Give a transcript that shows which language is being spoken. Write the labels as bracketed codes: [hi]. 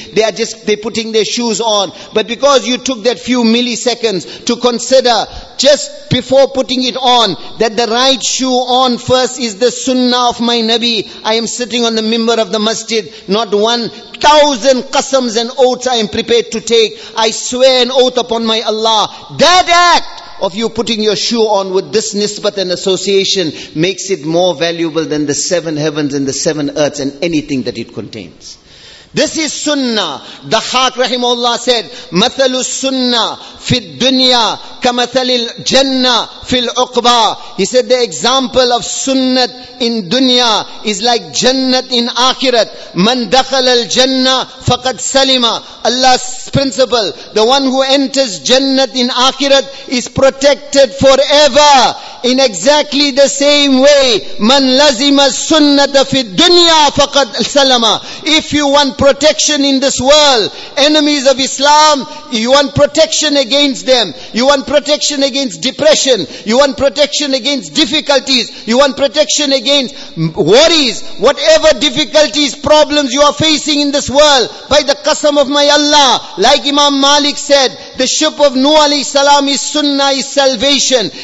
[en] They are just, they're putting their shoes on. But because you took that few milliseconds to consider just before putting it on, that the right shoe on first is the sunnah of my Nabi, I am sitting on the minbar of the masjid, not 1,000 qasams and oaths I am prepared to take. I swear an oath upon my Allah. That act of you putting your shoe on with this nisbat and association makes it more valuable than the 7 heavens and the 7 earths and anything that it contains. This is sunnah. Dahaq rahimahullah said, [ar] مَثَلُ السُّنَّةِ فِي الدُّنْيَا كَمَثَلِ الْجَنَّةِ فِي الْعُقْبَى. [en] He said the example of sunnat in dunya is like jannat in akhirat. [ar] مَنْ دَخَلَ الْجَنَّةِ فَقَدْ سَلِمَ. [en] Allah's principle, the one who enters jannat in akhirat is protected forever. In exactly the same way, [ar] مَنْ لَزِمَ السُّنَّةَ فِي الدُّنْيَا فَقَدْ سَلَمَ. [en] If you want protection in this world, enemies of Islam, you want protection against them, you want protection against depression, you want protection against difficulties, you want protection against worries, whatever difficulties, problems you are facing in this world, by the qasam of my Allah, like Imam Malik said, the ship of Nuh alayhi salam is sunnah, is salvation.